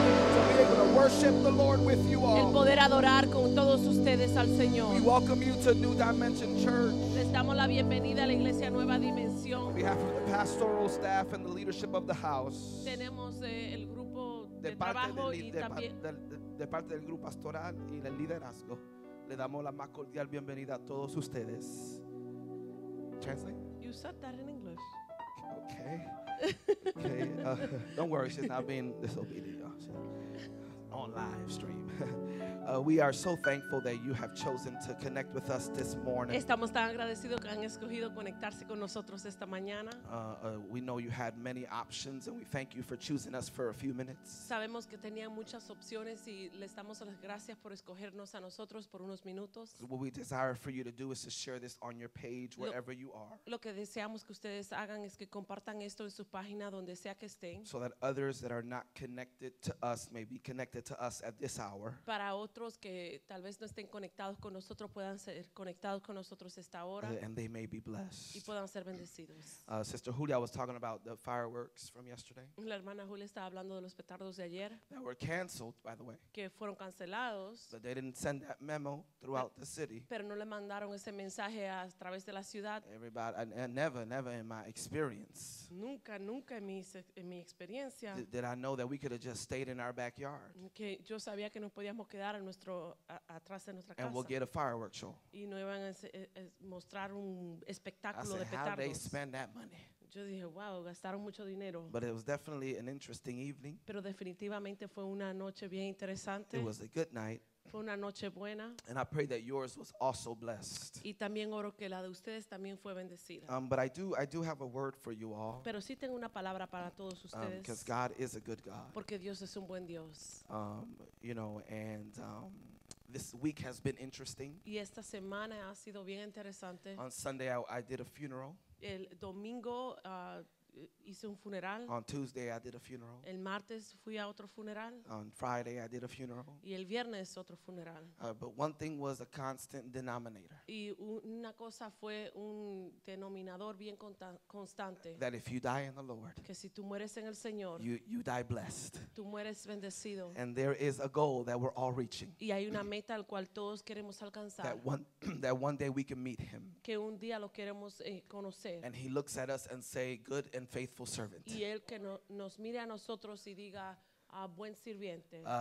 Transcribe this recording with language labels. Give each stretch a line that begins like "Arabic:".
English: To be able to worship the Lord with you all.
Spanish: El poder adorar con todos ustedes al Señor.
English: We welcome you to New Dimension Church.
Spanish: Les damos la bienvenida a la iglesia Nueva Dimensión.
English: On behalf of the pastoral staff and the leadership of the house.
Spanish: Tenemos el grupo de trabajo y también de parte del grupo pastoral y del liderazgo. Le damos la más cordial bienvenida a todos ustedes.
English: Translate. You said that in English. Okay. Okay. Don't worry, she's not being disobedient. On live stream, we are so thankful that you have chosen to connect with us this morning.
Spanish: Estamos tan agradecidos que han escogido conectarse con nosotros esta mañana.
English: We know you had many options, and we thank you for choosing us for a few minutes.
Spanish: Sabemos que tenían muchas opciones y les damos las gracias por escogernos a nosotros por unos minutos.
English: What we desire for you to do is to share this on your page wherever you are.
Spanish: Lo que deseamos que ustedes hagan es que compartan esto en su página donde sea que estén.
English: So that others that are not connected to us may be connected. To us at this hour.
Spanish: Para otros que tal vez no estén conectados con nosotros puedan ser conectados con nosotros esta hora.
English: And they may be blessed.
Spanish: Y puedan ser bendecidos.
English: Sister Julia was talking about the fireworks from yesterday.
Spanish: La hermana Julia estaba hablando de los petardos de ayer.
English: That were canceled, by the way.
Spanish: Que fueron cancelados.
English: But they didn't send that memo throughout the city.
Spanish: Pero no le mandaron ese mensaje a través de la ciudad.
English: Everybody, never in my experience.
Spanish: Nunca en mi experiencia.
English: Did I know that we could have just stayed in our backyard?
Spanish: Que yo sabía que nos podíamos quedar en nuestro atrás de nuestra casa.
English: And we'll get a fireworks show.
Spanish: Y no iban a mostrar un espectáculo de petardos.
English: How they spend that money.
Spanish: Yo dije, wow, gastaron mucho dinero.
English: But it was definitely an interesting evening.
Spanish: Pero definitivamente fue una noche bien interesante.
English: It was a good night.
Spanish: Fue una noche buena.
English: And I pray that yours was also blessed.
Spanish: Y también oro que la de ustedes también fue bendecida.
English: But I do have a word for you all.
Spanish: Pero sí tengo una palabra para todos ustedes.
English: Because God is a good God.
Spanish: Porque Dios es un buen Dios.
English: You know, and this week has been interesting.
Spanish: Y esta semana ha sido bien interesante.
English: On Sunday I did a funeral.
Spanish: El domingo hice un funeral.
English: On Tuesday I did a funeral.
Spanish: El martes fui a otro funeral.
English: On Friday I did a funeral.
Spanish: Y el viernes otro funeral.
English: But one thing was a constant denominator.
Spanish: Y una cosa fue un denominador bien constante.
English: That if you die in the Lord.
Spanish: Que si tú mueres en el Señor.
English: You die blessed.
Spanish: Tú mueres bendecido.
English: And there is a goal that we're all reaching.
Spanish: Y hay una meta al cual todos queremos alcanzar.
English: That one day we can meet him.
Spanish: Que un día lo queremos conocer.
English: And he looks at us and say, good and faithful servant.
Spanish: Y el que nos mire a nosotros y diga a buen sirviente.